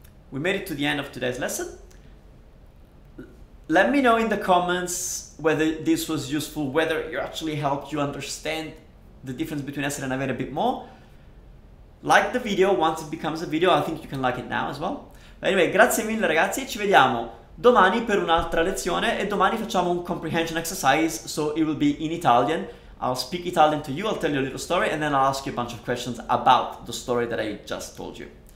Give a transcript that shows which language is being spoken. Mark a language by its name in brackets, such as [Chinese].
[English] We made it to the end of today's lesson. Let me know in the comments whether this was useful, whether it actually helped you understand the difference between essere and avere a bit more. Like the video once it becomes a video. I think you can like it now as well. But anyway, [Italian] grazie mille, ragazzi. Ci vediamo domani per un'altra lezione, e domani facciamo un [English] comprehension exercise, so it will be in Italian. I'll speak Italian to you, I'll tell you a little story, and then I'll ask you a bunch of questions about the story that I just told you.